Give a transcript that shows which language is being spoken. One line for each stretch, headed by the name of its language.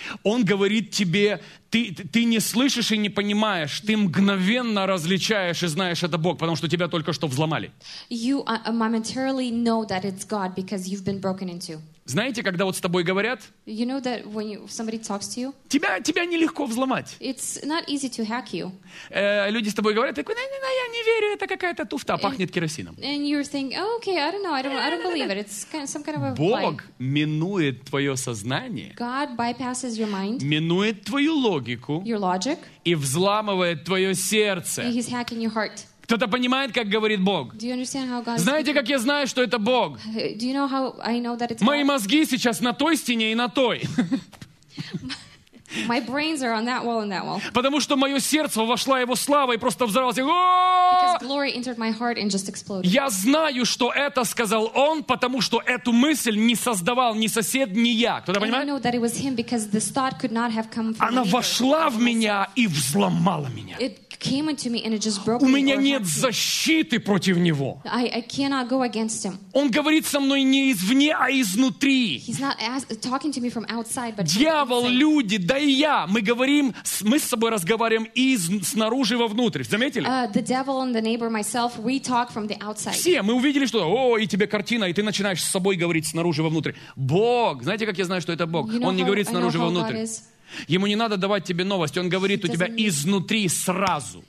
Russian: Он говорит тебе, ты не слышишь и не понимаешь, ты мгновенно различаешь и знаешь, это Бог, потому что тебя только что взломали.
English: You momentarily know that it's God because you've been broken into.
Russian: Знаете, когда вот с тобой говорят,
English: you know that when somebody talks to you,
Russian: тебя нелегко взломать.
English: It's not easy to hack you.
Russian: Люди с тобой говорят, такой, не, я не верю, это какая-то туфта, пахнет керосином.
English: And you're thinking, oh, okay, I don't believe it. It's kind of, some kind of a
Russian: Бог минует твое сознание.
English: God bypasses your mind.
Russian: Минует твою логику.
English: Your logic.
Russian: И взламывает твое сердце.
English: And he's hacking your heart.
Russian: Кто-то понимает, как говорит Бог?
English: Do you understand how God
Russian: Знаете, как я знаю, что это Бог?
English: Do you know how I know that it's
Russian: Мои мозги сейчас на той стене и на той.
English: My brains are on that wall and that wall.
Russian: Потому что мое сердце вошла его слава и просто взорвалось.
English: Because glory entered my heart and just exploded.
Russian: Я знаю, что это сказал он, потому что эту мысль не создавал ни сосед, ни я. Кто-то понимает?
English: And I know that it was him because this thought could not have come from
Russian: Она вошла в меня и взломала меня.
English: It came into me and it just broke
Russian: У меня нет защиты против него.
English: I cannot go against him.
Russian: Он говорит со мной не извне, а изнутри.
English: He's not talking to me from outside, but
Russian: Дьявол, люди, да и я, мы с собой разговариваем из снаружи вовнутрь. Заметили?
English: The devil and the neighbor, myself, we talk from the outside.
Russian: Все, мы увидели что-то, о, и тебе картина, и ты начинаешь с собой говорить снаружи вовнутрь. Бог, знаете, как я знаю, что это Бог?
English: You know
Russian: Он не
English: how,
Russian: говорит снаружи вовнутрь. Ему не надо давать тебе новость, Он говорит у тебя изнутри сразу.